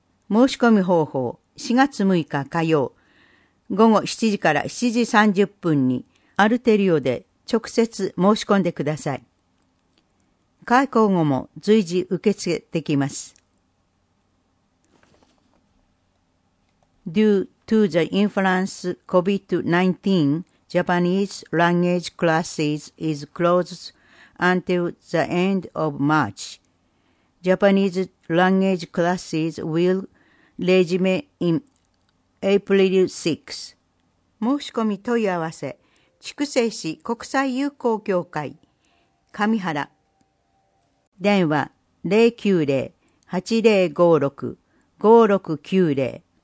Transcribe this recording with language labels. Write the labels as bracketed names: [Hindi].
[Japanese] 申し込み方法、4月6日火曜、午後7時から7時30分にアルテリオで直接申し込んでください。開講後も随時受け付けてきます。 [English] Due to the influence COVID-19, Japanese language classes is closed until the end of March. Japanese language classes will resume in April 6. [Japanese] 申し込み問い合わせ、筑西市国際友好協会、上原。電話090-8056-5690。